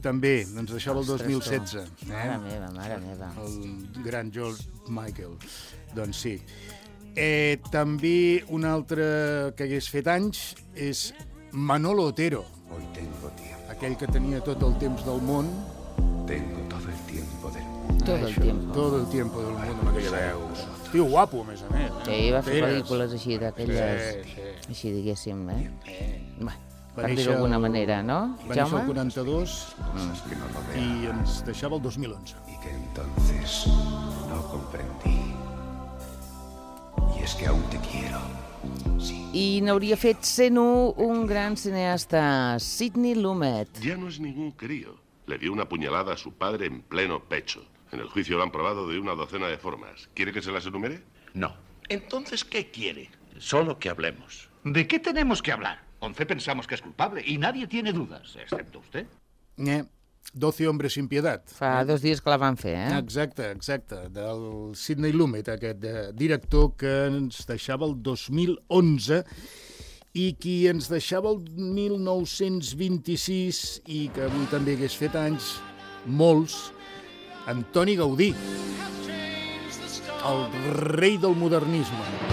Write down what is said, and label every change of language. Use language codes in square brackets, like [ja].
[ca] També, també. Doncs deixava el 2016. Mare meva. El gran George Michael. Doncs sí. També un altre que hagués fet anys és Manolo Otero. [es] Hoy tengo tiempo. [ca] Aquell que tenia tot el temps del món. [es] Tengo todo el tiempo del mundo. Todo el tiempo del mundo. [ca] Ay, me quedeu. Tio guapo, a més a més. Sí, va fer pel·lícules així d'aquelles... Sí, sí. Així, diguéssim, eh? Bien. Per dir-ho d'alguna manera, no? Va néixer el 42 i ens deixava el 2011. [es] Y que entonces no comprendí. Y es que aún te quiero. Sí. [ca] I n'hauria fet 101 un gran cineasta, Sidney Lumet. [es] Ya no es ningún crío. Le dio una puñalada a su padre en pleno pecho. En el juicio lo han probado de una docena de formas. ¿Quiere que se las enumere? No. Entonces, ¿qué quiere? Solo que hablemos. ¿De qué tenemos que hablar? 11 pensamos que es culpable y nadie tiene dudas, excepto usted. 12 hombres sin piedad. [ca] Fa dos dies que la van fer, eh? Exacte, exacte. Del Sidney Lumet, aquest director que ens deixava el 2011 i qui ens deixava el 1926 i que avui també hagués fet anys, molts, Antoni Gaudí, el rei del modernisme.